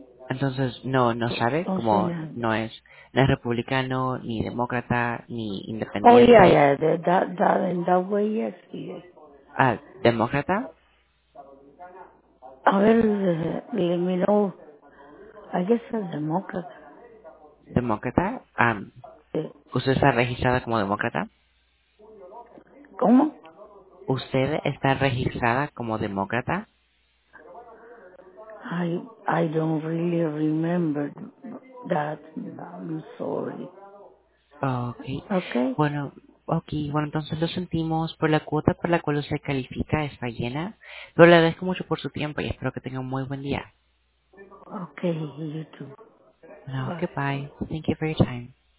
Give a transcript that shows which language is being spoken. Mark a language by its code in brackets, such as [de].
[es] Entonces, no sabe, como no es republicano, ni demócrata, ni independiente. [en] Oh, yeah, that in that way, yes. [es] Ah, ¿demócrata? A ver, [en] let me know. I guess a demócrata. [es] ¿Demócrata? ¿Usted está registrada como demócrata? ¿Cómo? ¿Usted está registrada como demócrata? [en] I don't really remember that. I'm sorry. Okay. [es] Bueno, entonces lo sentimos por la cuota por la cual usted califica, está llena. Pero le agradezco mucho por su tiempo y espero que tenga un muy buen día. [en] Okay, you too. No, bye. Goodbye. Thank you for your time.